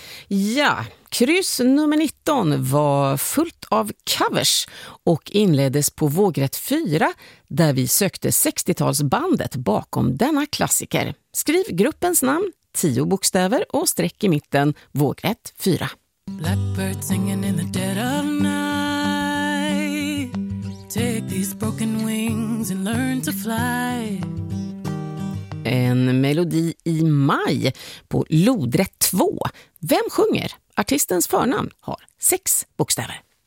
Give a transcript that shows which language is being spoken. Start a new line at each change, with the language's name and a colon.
Swedish: Ja, kryss nummer 19 var fullt av covers och inleddes på vågrätt 4 där vi sökte 60-talsbandet bakom denna klassiker. Skriv gruppens namn, 10 bokstäver och sträck i mitten, vågrätt 4.
English: Blackbird singing in the dead of night. Take these broken wings and learn to fly.
Swedish: En melodi i maj på lodrätt 2. Vem sjunger? Artistens förnamn har 6 bokstäver.